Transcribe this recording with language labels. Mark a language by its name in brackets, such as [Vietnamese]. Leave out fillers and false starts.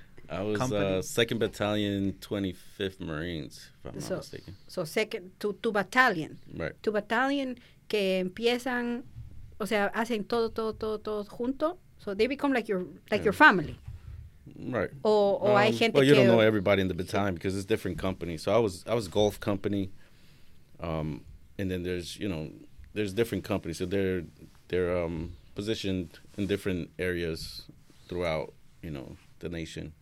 [English] I was 2nd Battalion, 25th Marines, if I'm not mistaken. So, second, tu battalion. Right. [Spanish] Tu battalion que empiezan, o sea, hacen todo junto. [English] So, they become like your family. Right. [Spanish] O hay gente que... [English] Well, you don't know everybody in the battalion because it's different companies. So, I was Gulf Company. And then there's different companies. So, they're positioned in different areas throughout, the nation.